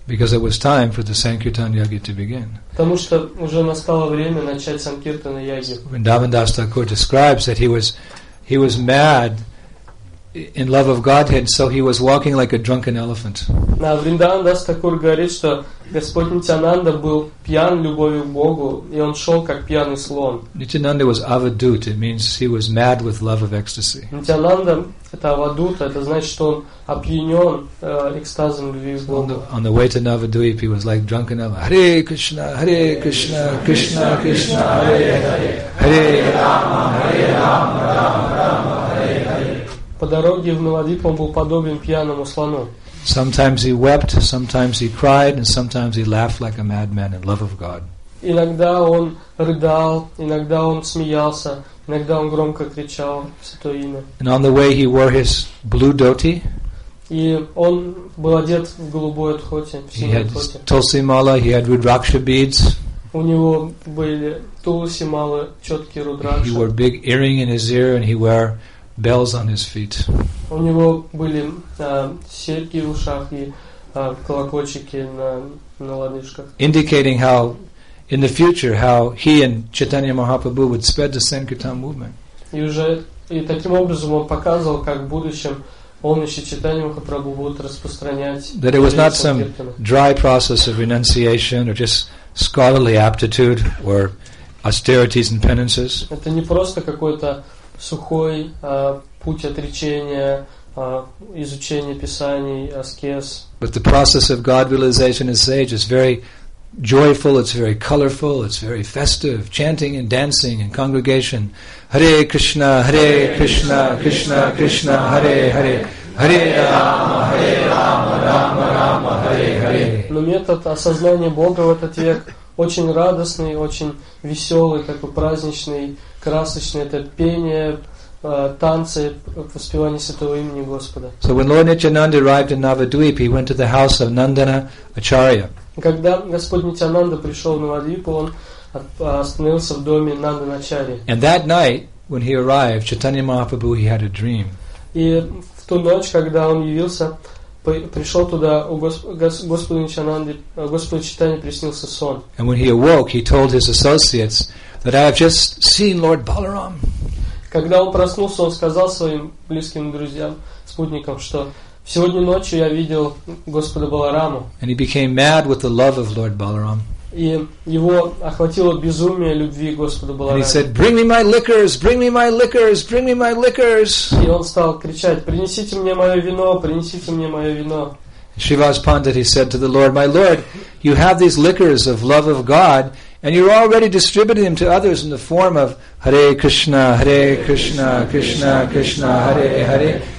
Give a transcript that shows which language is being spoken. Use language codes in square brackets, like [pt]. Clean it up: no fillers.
[en] Because it was time for the Sankirtan Yagya to begin. [ru] Потому что уже настало время начать Санкиртана Яги. [en] Vrindavan Das Thakur describes that he was mad in love of Godhead, so he was walking like a drunken elephant. [ru] На Вриндаван Дас Такур говорит, что Господь Нитянанда был пьян любовью к Богу, и он шел как пьяный слон. [en] Nityananda was avadut. It means he was mad with love of ecstasy. [ru] Нитянанда — это авадут, это значит, что он опьянен экстазом любви к Богу. [en] On the way to Navadvip, he was like drunken elephant. [sa] Hare Krishna, Hare Krishna, Krishna Krishna, Hare Hare, Hare Rama, Hare Rama, Rama Rama. [ru] По дороге в Навадвип он был подобен пьяному слону. [en] Sometimes he wept, sometimes he cried, and sometimes he laughed like a madman in love of God. [ru] Иногда он рыдал, иногда он смеялся, иногда он громко кричал святое имя. [en] And on the way he wore his blue dhoti. [ru] И он был одет в голубой дхоти. [en] He had tulsi mala, he had rudraksha beads. [ru] У него были tulsi mala, четкие рудракши. [en] He wore big earring in his ear, and he wore bells on his feet. [ru] У него были серьги в ушах и колокольчики на лодыжках. [en] Indicating how in the future how he and Chaitanya Mahaprabhu would spread the Sankirtan movement. [ru] И уже и таким образом он показывал, как в будущем он и Чайтанья Махапрабху будут распространять. [en] That it was not some dry process of renunciation or just scholarly aptitude or austerities and penances. [ru] Это не просто какой-то сухой путь отречения, изучение писаний, аскез. [en] But the process of God realization as sage is very joyful, it's very colorful, it's very festive, chanting and dancing in congregation. [sa] Hare Krishna, Hare Krishna, Krishna Krishna, Hare Hare, Hare Rama, Hare Rama, Rama Rama, Hare Hare. [ru] Но метод осознания Бога в этот век очень радостный, очень веселый, такой праздничный, красочный. Это пение, танцы, воспевание святого имени Господа. [en] So when Lord Nityananda arrived in Navadvip, he went to the house of Nandana Acharya. [ru] Когда Господь Нитянанда пришел в Навадвипу, он остановился в доме Нандана Ачарьи. [en] And that night, when he arrived, Chaitanya Mahaprabhu, he had a dream. [ru] И в ту ночь, когда он явился, пришел туда у Господа Нитянанды, Господу Чайтанье приснился сон. [en] And when he awoke, he told his associates that I have just seen Lord Balaram. [ru] Когда он проснулся, он сказал своим близким друзьям, спутникам, что сегодня ночью я видел Господа Балараму. [en] And he became mad with the love of Lord Balaram. [ru] И его охватило безумие любви Господу Балараме. [en] And he said, "Bring me my liquors, bring me my liquors, bring me my liquors." [ru] И он стал кричать: "Принесите мне мое вино, принесите мне мое вино." [en] Shrivas Pandit, he said to the Lord, "My Lord, you have these liquors of love of God, and you're already distributing them to others in the form of [sa] Hare Krishna, Hare Krishna, Krishna Krishna, Hare Hare."